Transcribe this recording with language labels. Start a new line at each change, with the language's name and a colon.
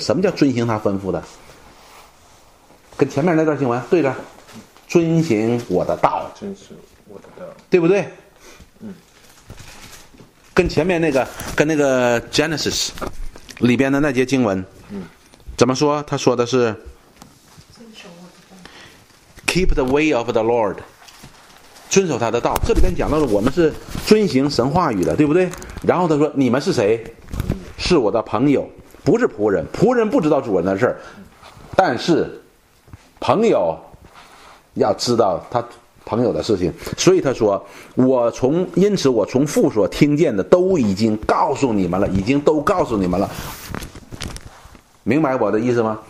Chinese: 什么叫遵行他吩咐的？跟前面那段经文对着，遵行我的道，遵行我的道，对不对？嗯。跟前面那个，跟那个 Genesis 里边的那节经文，嗯，怎么说？他说的是。
English: Keep the way of the Lord，
Chinese: 遵守他的道。这里边讲到了我们是遵行神话语的，对不对？然后他说你们是谁？是我的朋友，不是仆人。仆人不知道主人的事，但是朋友要知道他朋友的事情。所以他说我从，因此我从父所听见的都已经告诉你们了，已经都告诉你们了。明白我的意思吗？